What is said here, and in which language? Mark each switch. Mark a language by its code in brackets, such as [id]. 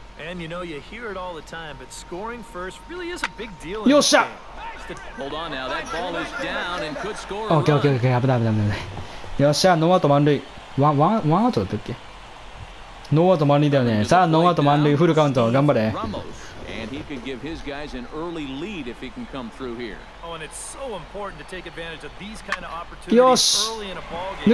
[en] And you know you hear it all the time, but scoring first really is a big deal. [ja] よっしゃ。 [en] Hold on now, that ball is down and could score. [ja] オッケー、危ない。よっしゃ、ノーアウト満塁。ワンアウトだったっけ？ノーアウト満塁だよね。さあ、ノーアウト満塁、フルカウント、頑張れ。 [en] And he could give his guys an early lead if he can come through here. Oh, and it's so important to take advantage of these kind of opportunities early in a ball game.